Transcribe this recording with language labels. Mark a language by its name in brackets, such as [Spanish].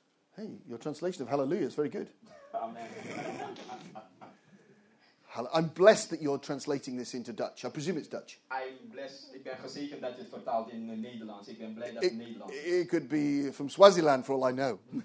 [English] Hey, your translation of hallelujah is very good. Amen. I'm blessed that you're translating this into Dutch. I presume it's Dutch. I'm blessed. [Dutch] Ik ben gezegend dat je het vertaalt in Nederlands. Ik ben blij dat het Nederlands. [English] It could be from Swaziland for all I know.